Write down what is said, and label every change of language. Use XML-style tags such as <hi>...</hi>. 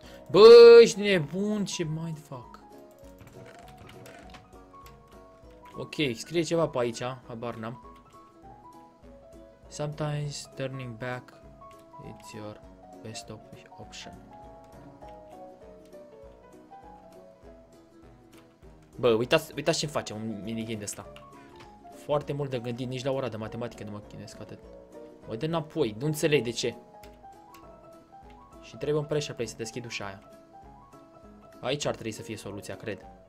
<ro>Bă, ești nebun, ce mindfuck. Ok, scrie ceva pe aici, habar n-am.</ro> <en>Sometimes turning back, it's your best option.</en> <ro>Bă, uitați ce-mi face un minigame de ăsta. Foarte mult de gândit, nici la ora de matematică nu mă chinesc atât. Mă dă înapoi, nu înțeleg de ce. Și trebuie un pressure plate să deschid ușa aia. Aici ar trebui să fie soluția, cred.</ro>